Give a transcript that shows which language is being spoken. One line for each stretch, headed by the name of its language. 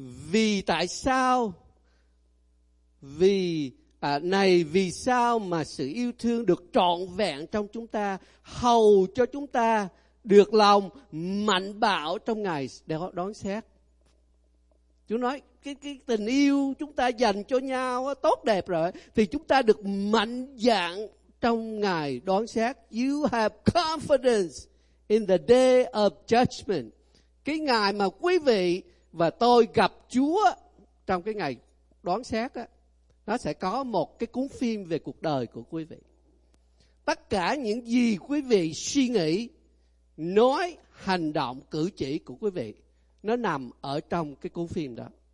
Vietnamese: Vì tại sao, vì sao mà sự yêu thương được trọn vẹn trong chúng ta, hầu cho chúng ta được lòng mạnh bạo trong ngày để đón xét. Chúa nói cái tình yêu chúng ta dành cho nhau tốt đẹp rồi thì chúng ta được mạnh dạng trong ngày đón xét.
English: You have confidence in the day of judgment.
Vietnamese: Cái ngày mà quý vị và tôi gặp Chúa trong cái ngày đoán xét á, nó sẽ có một cái cuốn phim về cuộc đời của quý vị. Tất cả những gì quý vị suy nghĩ, nói, hành động, cử chỉ của quý vị, nó nằm ở trong cái cuốn phim đó.